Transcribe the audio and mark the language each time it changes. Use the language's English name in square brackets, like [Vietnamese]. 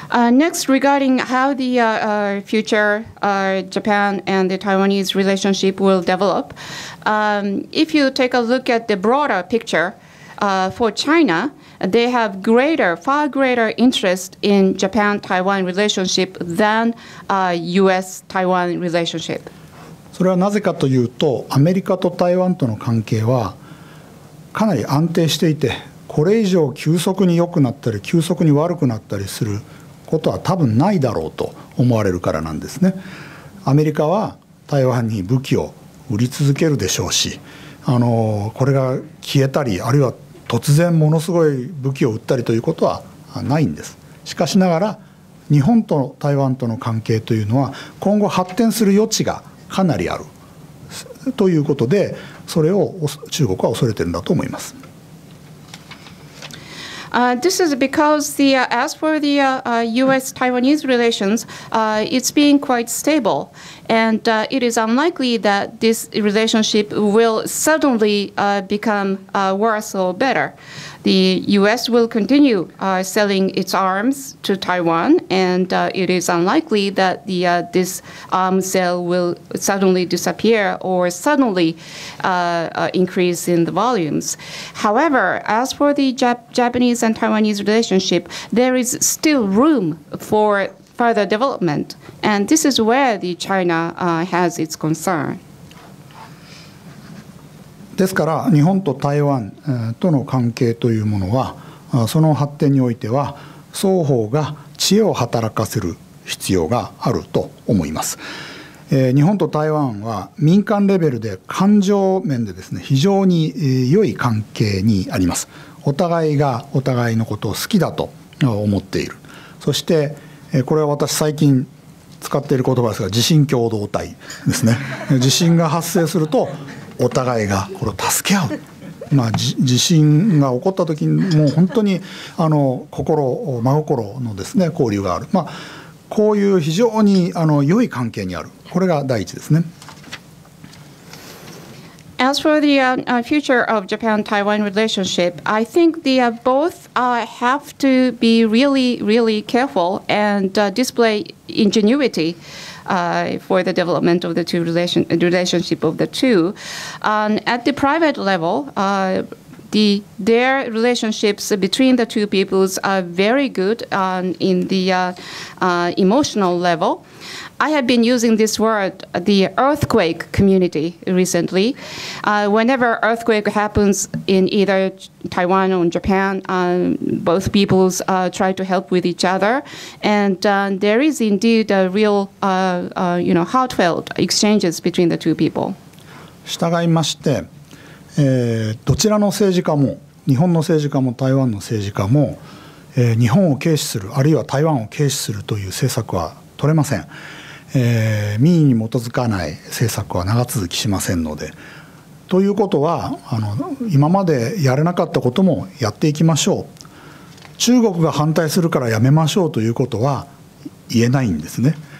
[English] Next, regarding how the future Japan and the Taiwanese relationship will develop, if you take a look at the broader picture for China, they have far greater interest in Japan-Taiwan relationship than US-Taiwan relationship. [Japanese] それはなぜかというと、アメリカと台湾との関係はかなり安定していて、これ以上急速に良くなったり急速に悪くなったりする。ことは多分ないだろうと思われるからなんですね。アメリカは台湾に武器を売り続けるでしょうし、これが消えたりあるいは突然ものすごい武器を売ったりということはないんです。しかしながら日本と台湾との関係というのは今後発展する余地がかなりあるということで、それを中国は恐れているんだと思います。 [English] This is because as for the U.S.-Taiwanese relations, it's been quite stable, and it is unlikely that this relationship will suddenly become worse or better. The U.S. will continue selling its arms to Taiwan, and it is unlikely that this arms sale will suddenly disappear or suddenly increase in the volumes. However, as for the Japanese and Taiwanese relationship, there is still room for further development, and this is where the China has its concern. [Japanese] ですから日本と台湾との関係というものはその発展においては双方が知恵を働かせる必要があると思います。日本と台湾は民間レベルで感情面でですね、非常に良い関係にあります。お互いがお互いのことを好きだと思っている。そしてこれは私最近使っている言葉ですが、地震共同体ですね。地震が発生するとお互いがこれを助け合う、地震が起こった時にもう本当に心、真心のですね、交流がある、こういう非常に良い関係にある、これが第一ですね。 [English] As for the future of Japan-Taiwan relationship, I think the both have to be really, really careful and display ingenuity for the development of the two relationship of the two. At the private level, their relationships between the two peoples are very good in the emotional level. I have been using this word, the earthquake community, recently. Whenever earthquake happens in either Taiwan or Japan, both peoples try to help with each other. And there is indeed a real, heartfelt exchanges between the two people. [Japanese] 従いまして、どちらの政治家も、日本の政治家も台湾の政治家も、日本を軽視する、あるいは台湾を軽視するという政策は取れません。民意に基づかない政策は長続きしませんので、ということは今までやれなかったこともやっていきましょう、中国が反対するからやめましょうということは言えないんですね。